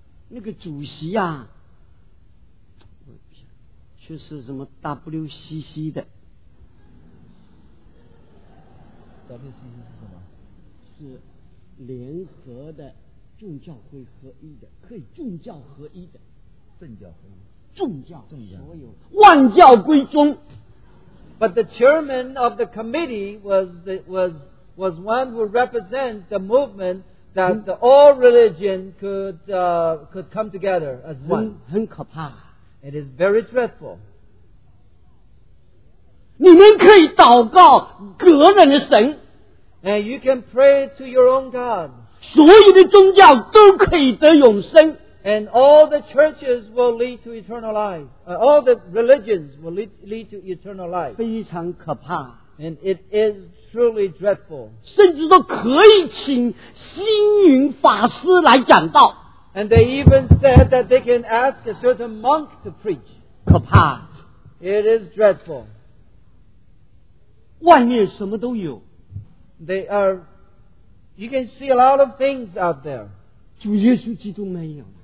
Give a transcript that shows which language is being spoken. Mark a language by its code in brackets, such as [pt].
[zh] 那个主席啊，就是什么 WCC 的。 WCC 是什么？是联合的众教会合一的，可以众教合一的。政教合一。众教。众教。所有。万教归宗。 [en] But the chairman of the committee was one who represents the movement. That all religion could come together as one. [zh] 很可怕。 [en] It is very dreadful. [zh] 你们可以祷告个人的神。 [en] And you can pray to your own God. [zh] 所有的宗教都可以得永生。 [en] And all the churches will lead to eternal life. All the religions will lead to eternal life. [zh] 非常可怕。 [en] And it is truly dreadful. [zh] 甚至都可以请星云法师来讲道。 [en] And they even said that they can ask a certain monk to preach. [zh] 可怕。 [en] It is dreadful. [zh] 外面什么都有。 [en] They are, you can see a lot of things out there. [zh] 主耶稣基督没有。